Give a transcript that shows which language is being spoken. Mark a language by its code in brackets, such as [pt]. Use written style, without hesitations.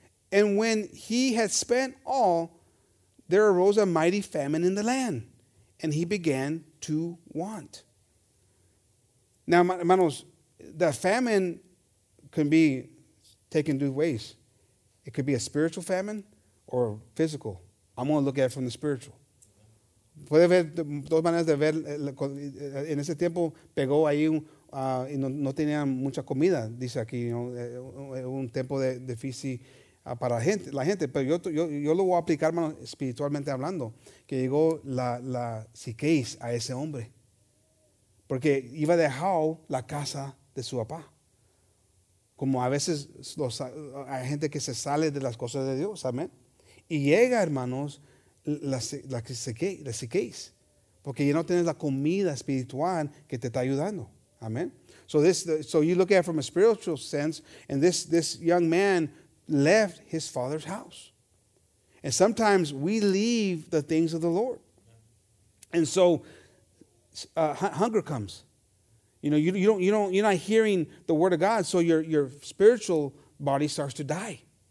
[en] And when he had spent all, there arose a mighty famine in the land, and he began to want. Now, hermanos, the famine can be taken two ways. It could be a spiritual famine or physical. I'm going to look at it from the spiritual. [es] Puede ver dos maneras de ver. En ese tiempo pegó ahí y no tenían mucha comida. Dice aquí, [en] you know, [es] un tiempo de difícil para la gente. Pero yo lo voy a aplicar, hermano, espiritualmente hablando, que llegó la psiqueis a ese hombre, porque iba a dejar la casa de su papá. Como a veces hay gente que se sale de las cosas de Dios, amén. Y llega, hermanos, la sequez, porque ya no tienes la comida espiritual que te está ayudando. [en] Amen. So you look at it from a spiritual sense, and this young man left his father's house. And sometimes we leave the things of the Lord. And so hunger comes. You know, you're not hearing the word of God, so your spiritual body starts to die.